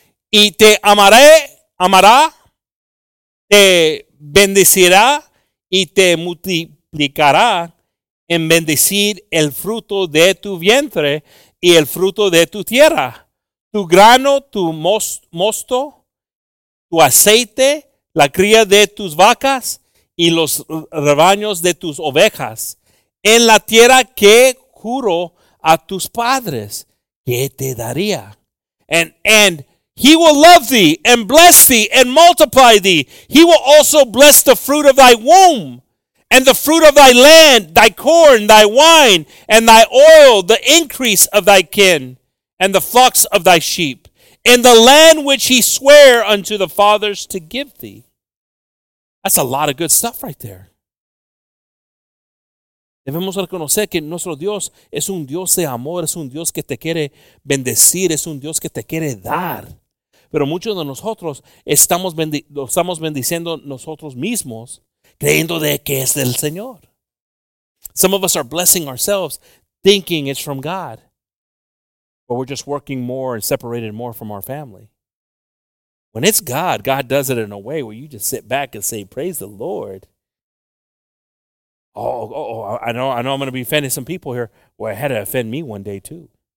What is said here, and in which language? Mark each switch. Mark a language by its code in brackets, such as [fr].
[es] y te amaré, amará, te bendecirá, y te multiplicará en bendecir el fruto de tu vientre y el fruto de tu tierra, tu grano, tu mosto, tu aceite, la cría de tus vacas y los rebaños de tus ovejas. En la tierra que juro a tus padres, que te daría. [en] And he will love thee and bless thee and multiply thee. He will also bless the fruit of thy womb and the fruit of thy land, thy corn, thy wine, and thy oil, the increase of thy kin and the flocks of thy sheep, in the land which he sware unto the fathers to give thee. That's a lot of good stuff right there. [es] Debemos reconocer que nuestro Dios es un Dios de amor, es un Dios que te quiere bendecir, es un Dios que te quiere dar. Pero muchos de nosotros estamos bendiciendo nosotros mismos, creyendo de que es del Señor. [en] Some of us are blessing ourselves, thinking it's from God. But we're just working more and separated more from our family. When it's God, God does it in a way where you just sit back and say, praise the Lord. Oh, I know I'm going to be offending some people here. Well, I had to offend me one day too.